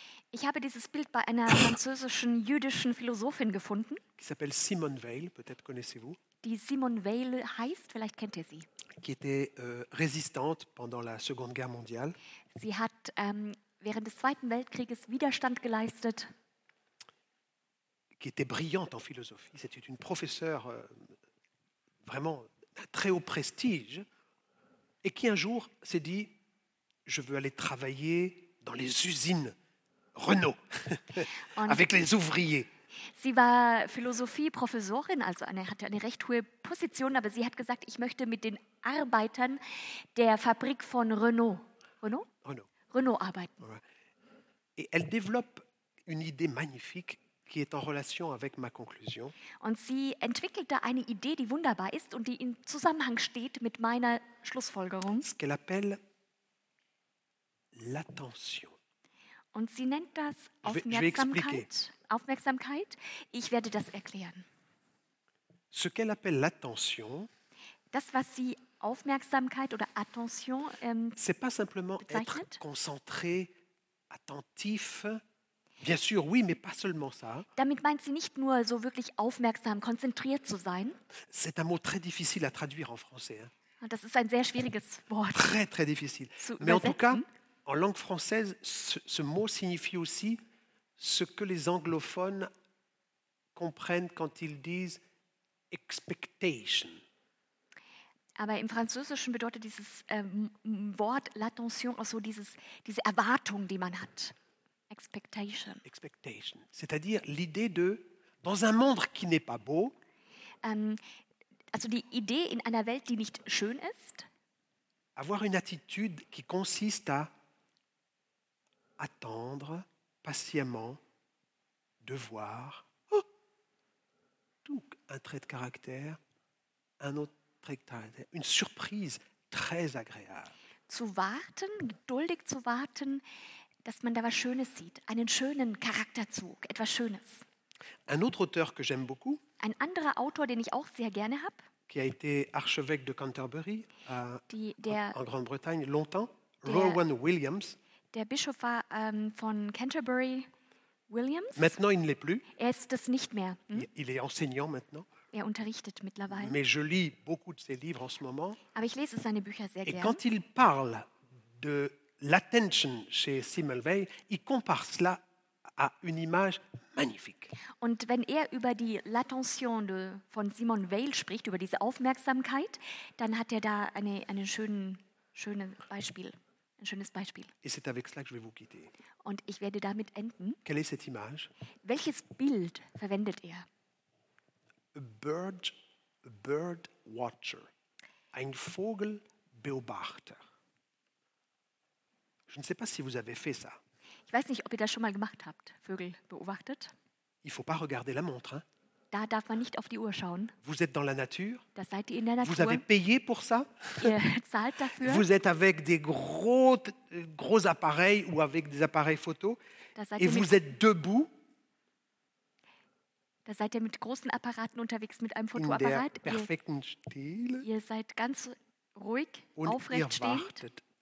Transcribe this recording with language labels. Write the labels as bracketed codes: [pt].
[de] Ich habe dieses Bild bei einer französischen jüdischen Philosophin gefunden. [fr] Qui s'appelle Simone Weil, peut-être connaissez-vous. [de] Die Simone Weil heißt, vielleicht kennt ihr sie. [fr] Qui était résistante pendant la Seconde Guerre mondiale. [de] Sie hat während des Zweiten Weltkrieges Widerstand geleistet. [fr] Qui était brillante en philosophie. C'était une professeure vraiment d'un très haut prestige et qui un jour s'est dit, je veux aller travailler dans les usines Renault avec les ouvriers. [de] Sie war Philosophieprofessorin, also hatte eine recht hohe Position, aber sie hat gesagt, ich möchte mit den Arbeitern der Fabrik von Renault arbeiten. [fr] Ouais. Et elle développe une idée magnifique qui est en relation avec ma conclusion. [de] Und sie entwickelte eine Idee, die wunderbar ist und die in Zusammenhang steht mit meiner Schlussfolgerung. [fr] Ce qu'elle appelle l'attention. [de] Und sie nennt das Aufmerksamkeit. Ich werde das erklären. [fr] Ce qu'elle appelle l'attention, [de] das, was sie Aufmerksamkeit oder Attention [fr] c'est pas simplement [de] bezeichnet. [fr] Être concentré, attentif. Bien sûr, oui, mais pas seulement ça. [de] Damit meint sie nicht nur so wirklich aufmerksam, konzentriert zu sein. [fr] C'est un mot très difficile à traduire en français. Hein. [de] Das ist ein sehr schwieriges Wort. [fr] Très, très difficile. Mais en tout cas, en langue française, ce mot signifie aussi ce que les anglophones comprennent quand ils disent expectation. [de] Aber im Französischen bedeutet dieses Wort l'attention auch so diese Erwartung, die man hat. [en] Expectation. Expectation. [fr] C'est-à-dire l'idée de, dans un monde qui n'est pas beau, [de] also die Idee in einer Welt, die nicht schön ist, [fr] avoir une attitude qui consiste à attendre patiemment de voir tout un trait de caractère, un autre trait de caractère, une surprise très agréable. [de] Zu warten, geduldig zu warten, dass man da was Schönes sieht, einen schönen Charakterzug, etwas Schönes. [fr] Un autre auteur que j'aime beaucoup, [de] ein anderer Autor, den ich auch sehr gerne habe, [fr] qui a été archevêque de Canterbury en Grande-Bretagne longtemps, Rowan Williams. [de] Der Bischof war von Canterbury, Williams. [fr] Maintenant, il ne l'est plus. [de] Er ist es nicht mehr. [fr] Il est enseignant maintenant. [de] Er unterrichtet mittlerweile. [fr] Mais je lis beaucoup de ses livres en ce moment. [de] Aber ich lese seine Bücher sehr gerne. [fr] Et quand il parle de l'attention chez Simone Weil, il compare cela à une image magnifique. [de] Und wenn er über die L'attention von Simone Weil spricht, über diese Aufmerksamkeit, dann hat er da ein schönes Beispiel. [fr] Et c'est avec cela que je vais vous quitter. [de] Und ich werde damit enden. [fr] Quelle est cette image? [de] Welches Bild verwendet er? [en] A bird watcher. [de] Ein Vogelbeobachter. [fr] Je ne sais pas si vous avez fait ça. [de] Ich weiß nicht, ob ihr das schon mal gemacht habt. Vögel beobachtet. [fr] Il faut pas regarder la montre, hein? [de] Da darf man nicht auf die Uhr schauen. [fr] Vous êtes dans la nature. [de] Da seid ihr in der Natur. [fr] Vous avez payé pour ça. [de] Ihr zahlt dafür. [fr] Vous êtes avec des gros appareils ou avec des appareils photo. Et vous êtes debout. [de] Da seid ihr mit großen Apparaten unterwegs, mit einem Fotoapparat. In der perfekten Stille. Ihr seid ganz ruhig, und aufrecht stehend.